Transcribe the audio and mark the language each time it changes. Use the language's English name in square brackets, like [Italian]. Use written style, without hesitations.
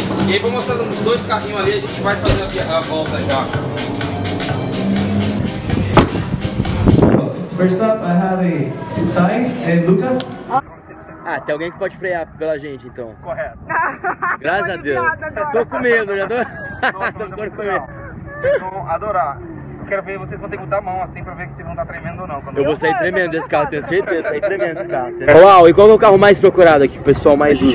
[Portuguese] E aí vou mostrar os dois carrinhos ali, a gente vai fazer a volta já. [English] First up, I have a Thais and Lucas. [Portuguese] Ah, tem alguém que pode frear pela gente então. Correto. Graças a Deus. Agora. Tô com medo, já tô. Nossa, tô ficando com medo. Vocês vão adorar. Quero ver, vocês vão ter que botar a mão assim pra ver se vão estar tremendo ou não. Eu vou sair tremendo desse carro, tenho certeza. Sair tremendo desse carro. Uau, e qual é o carro mais procurado aqui, pessoal mais usa?